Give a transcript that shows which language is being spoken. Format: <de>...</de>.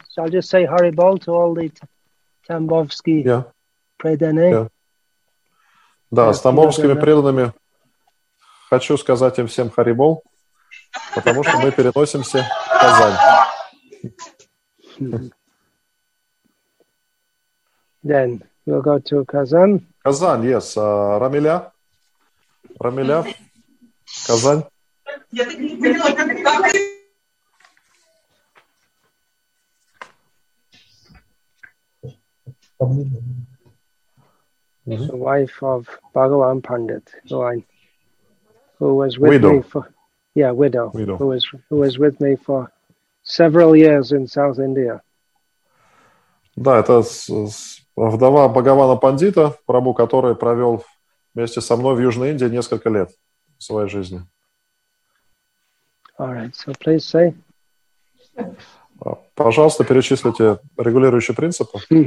<en>So I'll just say Hari Bol to all the Tambovsky</en> <ru>преданные. Да, с Тамбовскими преданными хочу сказать им всем Хари Бол. Потому что мы переносимся в Казань.</ru> <en>Then we'll go to Kazan. Kazan, yes. Рамиля. Рамиля. Казань.</en> <ru>Я так не поняла, как</ru> <en>the wife of Bhagavan Pandit, who was with me for... Yeah, widow. Who was with me for several years in South India.</en> <ru>Да, это вдова Бхагавана Пандита, прабу, который провел вместе со мной в Южной Индии несколько лет своей жизни.</ru> <en>All right, so please say.</en> <ru>Пожалуйста, перечислите регулирующие принципы.</ru>